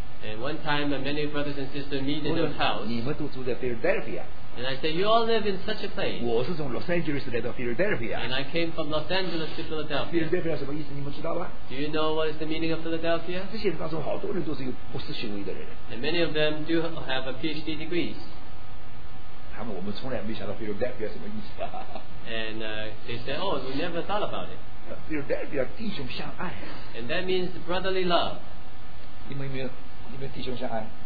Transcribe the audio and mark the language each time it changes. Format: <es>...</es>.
<en>And one time, many brothers and sisters meet in their house.</en> <zh>你们都住在 Philadelphia。</zh> <en>And I said, you all live in such a place.</en> <zh>我是从 Los Angeles 来到 Philadelphia.</zh> <en>And I came from Los Angeles to Philadelphia.</en> <zh>Philadelphia 什么意思？你们知道吗？</zh> <en>Do you know what is the meaning of Philadelphia?</en> <zh>这些人当中好多人都是有博士学位的人。</zh> <en>And many of them do have a PhD degrees.</en> <zh>他们我们从来没想到 Philadelphia 什么意思。</zh> <en>And they said, oh, we never thought about it.</en> <zh>Philadelphia 弟兄相爱。</zh> <en>And that means brotherly love.</en> <zh>你们弟兄相爱。</zh>